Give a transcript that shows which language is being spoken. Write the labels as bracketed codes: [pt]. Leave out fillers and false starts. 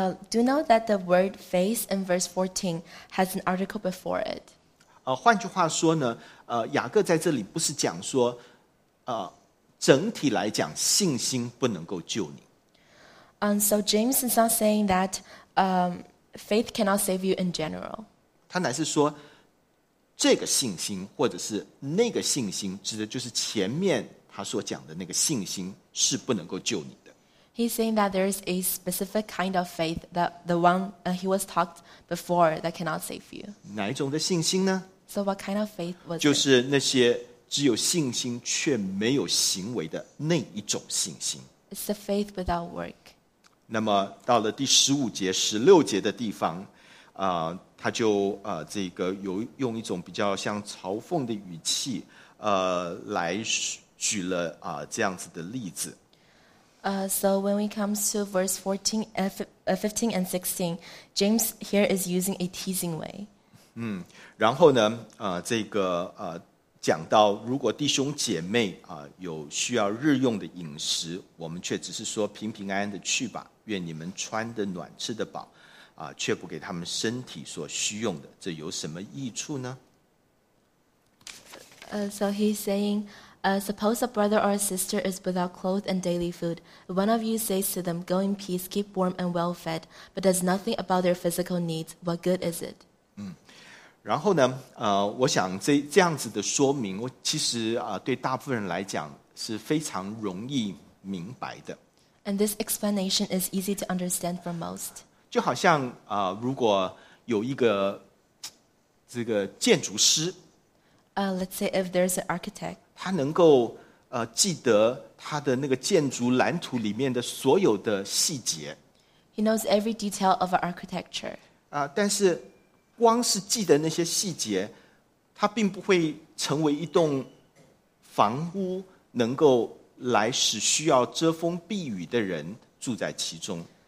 [en] Do know that the word faith in verse 14 has an article before it. [zh] 换句话说呢，雅各在这里不是讲说，整体来讲信心不能够救你。 [en] So James is not saying that faith cannot save you in general. [zh] 他乃是说，这个信心或者是那个信心，指的就是前面他所讲的那个信心是不能够救你。 [en] He's saying that there is a specific kind of faith that the one he was talked before that cannot save you. [zh] 哪一种的信心呢？ [en] So what kind of faith was it? [zh] 就是那些只有信心却没有行为的那一种信心。 [en] It's the faith without work. [zh] 那么到了第十五节、十六节的地方，他就这个有用一种比较像嘲讽的语气，来举了这样子的例子。 [en] So when we come to verse 15 and 16, James here is using a teasing way. [zh] 然后呢，这个讲到如果弟兄姐妹有需要日用的饮食，我们却只是说平平安安的去吧，愿你们穿得暖，吃得饱，却不给他们身体所需用的，这有什么益处呢？ [en] So he's saying, suppose a brother or a sister is without clothes and daily food. One of you says to them, go in peace, keep warm and well fed, but does nothing about their physical needs. What good is it? [zh] 然后呢，我想这样子的说明，我其实对大部分人来讲是非常容易明白的。 [en] And this explanation is easy to understand for most. [zh] 就好像如果有一个这个建筑师。 [en] Let's say if there's an architect. [zh] 他能够记得他的那个建筑蓝图里面的所有的细节。 [en] He knows every detail of architecture. [zh] 但是光是记得那些细节，他并不会成为一栋房屋能够来使需要遮风避雨的人住在其中。